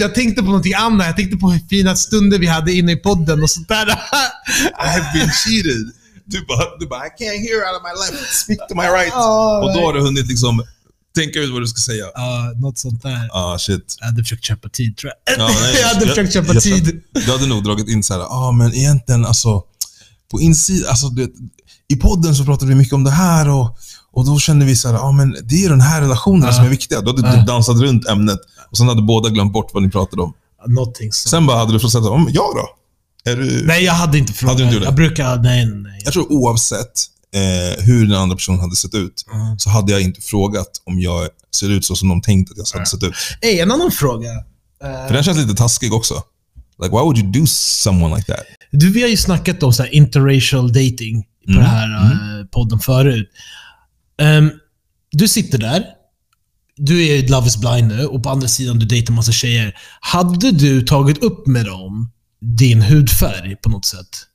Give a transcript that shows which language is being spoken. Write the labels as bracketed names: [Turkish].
[Swedish] Jag tänkte på någonting annat. Jag tänkte på hur fina stunder vi hade inne i podden och sånt där. [English] I have been cheated. [Swedish] Du bara, [English] I can't hear out of my left. Speak to my right. [Swedish] Och då har du hunnit liksom tänka ut vad du ska säga. Något sånt där. [English] Shit. [Swedish] Jag hade försökt köpa tid, tror jag. Jag hade försökt köpa tid. Du hade nog dragit in så här. Men egentligen, alltså på insidan, alltså du vet, i podden så pratade vi mycket om det här och då kände vi så här, men det är den här relationen som är viktiga. Då hade du dansat runt ämnet och sen hade båda glömt bort vad ni pratade om. [English] Nothing. So. [Swedish] Sen bara hade du frågat, ja då? Är du... Nej, jag hade inte frågat. Hade du inte gjort det? Jag brukar, nej. Jag tror oavsett hur den andra personen hade sett ut så hade jag inte frågat om jag ser ut så som de tänkt att jag hade sett ut. Ej, en annan fråga. För den känns lite taskig också. [English] Like, why would you do someone like that? [Swedish] Du, vi har ju snackat om så här interracial dating på den här podden förut. Du sitter där. Du är i Love is Blind nu. Och på andra sidan, du dejtar massa tjejer. Hade du tagit upp med dem din hudfärg på något sätt?